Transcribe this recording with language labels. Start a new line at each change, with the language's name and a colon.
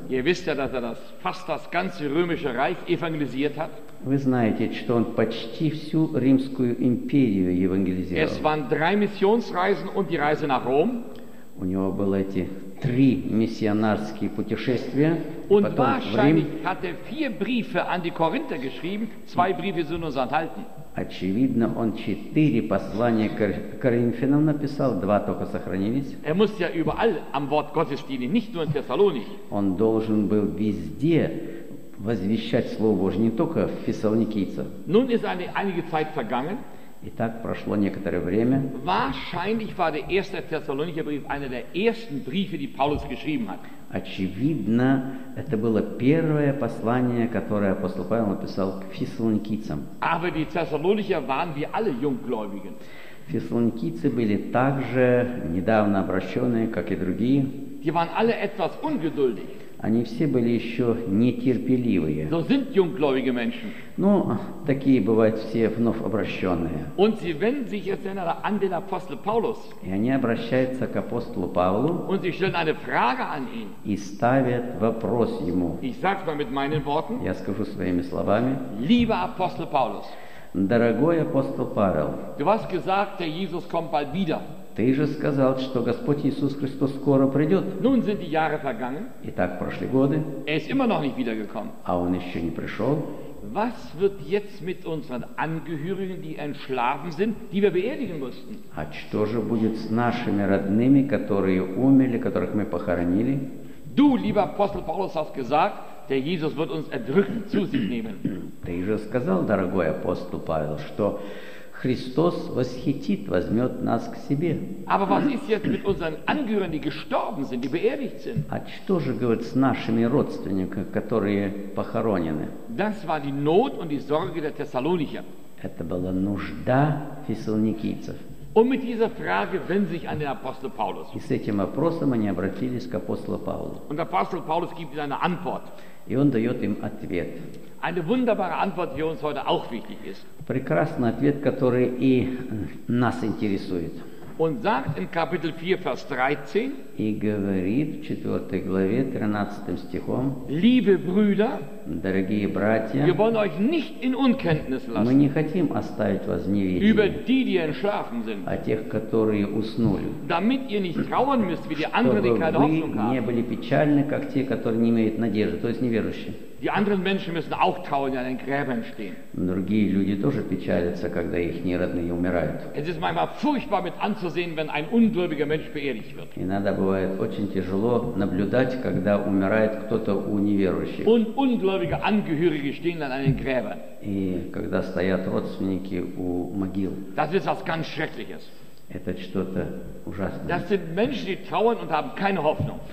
Russian: Вы знаете, что он почти всю Римскую империю евангелизировал. У него было эти 3 миссионарские путешествия.
German: Und wahrscheinlich hat er 4 Briefe an die Korinther geschrieben. 2 Briefe sind uns enthalten.
Russian: Очевидно, он 4 послания Коринфянам написал, 2 только сохранились.
German: Er muss ja überall am Wort Gottes dienen, nicht nur in Thessaloniki.
Russian: Он должен был везде возвещать Слово Божье, не только в Фессалоникийцах.
German: Nun ist einige Zeit vergangen.
Russian: Итак, прошло некоторое время.
German: Wahrscheinlich war der erste Thessalonicher Brief einer der ersten Briefe, die Paulus geschrieben hat.
Russian: Очевидно, это было первое послание, которое апостол Павел написал к фессалоникийцам.
German: Aber die Thessalonicher waren wie alle Junggläubigen.
Russian: Фессалоникийцы были также недавно обращенные, как и другие.
German: Die waren alle etwas ungeduldig.
Russian: Они все были еще нетерпеливые.
German: So sind junggläubige Menschen.
Russian: Ну, такие бывают все вновь обращенные.
German: Und sie wenden sich jetzt an den Apostel Paulus.
Russian: И они обращаются к апостолу Павлу.
German: Und sie stellen eine Frage an ihn.
Russian: И ставят вопрос ему.
German: Ich sag's mal mit meinen Worten.
Russian: Я скажу своими словами.
German: Lieber Apostel Paulus.
Russian: Дорогой апостол Павел.
German: Du hast gesagt, der Jesus kommt bald wieder.
Russian: Ты же сказал, что Господь Иисус Христос скоро придет.
German: Nun sind die Jahre vergangen.
Russian: Итак, прошли годы.
German: Er ist immer noch nicht wiedergekommen.
Russian: А он еще не пришел.
German: Was wird jetzt mit unseren Angehörigen, die entschlafen sind, die wir beerdigen mussten?
Russian: А что же будет с нашими родными, которые умерли, которых мы похоронили?
German: Du, lieber Apostel Paulus, hast gesagt, der Jesus wird uns erdrücken, zu sich nehmen.
Russian: Ты же сказал, дорогой апостол Павел, что Христос восхитит, возьмет нас к себе.
German: Aber was ist jetzt mit unseren Angehörigen, die gestorben sind, die beerdigt sind?
Russian: А что же говорит с нашими родственниками, которые похоронены?
German: Das war die Not und die Sorge der Thessalonicher.
Russian: Это была нужда фессалоникийцев.
German: Und mit dieser Frage wenden sich an den Apostel Paulus.
Russian: И с этим вопросом они обратились к апостолу Павлу.
German: Und Apostel Paulus gibt ihnen eine Antwort.
Russian: И он дает им ответ.
German: Eine wunderbare Antwort, die uns heute auch wichtig ist.
Russian: Прекрасный ответ, который и нас интересует.
German: Und sagt in Kapitel 4, Vers 13,
Russian: и говорит в 4 главе 13 стихом,
German: Liebe Brüder,
Russian: дорогие братья,
German: wir wollen euch nicht in Unkenntnis lassen,
Russian: мы не хотим оставить вас в неведении,
German: über die, die entschlafen sind,
Russian: о тех, которые уснули,
German: damit ihr nicht trauern müsst, wie die anderen, die keine Hoffnung haben.
Russian: Чтобы вы не были печальны, как те, которые не имеют надежды, то есть неверующие.
German: Die anderen Menschen müssen auch trauern, die an den Gräbern stehen.
Russian: Другие люди тоже печалятся, когда их неродные умирают.
German: Es ist manchmal furchtbar mit anzusehen, wenn ein ungläubiger Mensch beerdigt wird.
Russian: Иногда бывает очень тяжело наблюдать, когда умирает кто-то у неверующих.
German: Und ungläubige Angehörige stehen an den Gräbern.
Russian: И когда стоят родственники у могил.
German: Das ist was ganz Schreckliches.
Russian: Это что-то ужасное.
German: Das sind Menschen, die trauern und haben keine Hoffnung.